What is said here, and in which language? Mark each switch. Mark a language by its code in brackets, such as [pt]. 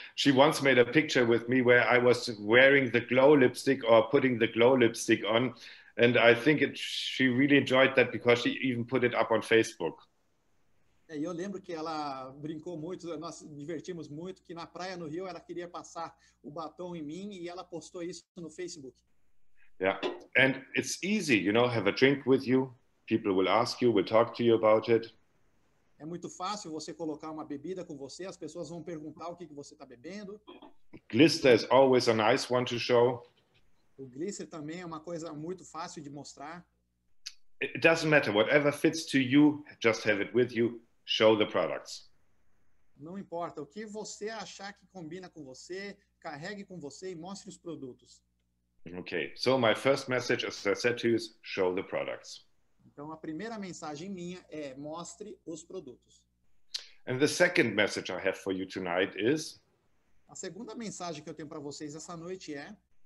[en] She once made a picture with me where I was wearing the glow lipstick or putting the glow lipstick on, and I think she really enjoyed that because she even put it up on Facebook. [pt] E eu lembro que ela brincou muito, nós divertimos muito, que na praia no Rio ela queria passar o batom em mim e ela postou isso no Facebook. [en] Yeah, and it's easy, you know, have a drink with you, people will ask you, will talk to you about it. [pt] É muito fácil você colocar uma bebida com você, as pessoas vão perguntar o que você está bebendo. [en] Glister is always a nice one to show. [pt] O glister também é uma coisa muito fácil de mostrar. [en] It doesn't matter, whatever fits to you, just have it with you, show the products. [pt] Não importa, o que você achar que combina com você, carregue com você e mostre os produtos. [en] Okay, so my first message, as I said to you, is show the products. [pt] Então a primeira mensagem minha é mostre os produtos. [en] And the second message I have for you tonight is... [pt] A segunda mensagem que eu tenho para vocês essa noite é...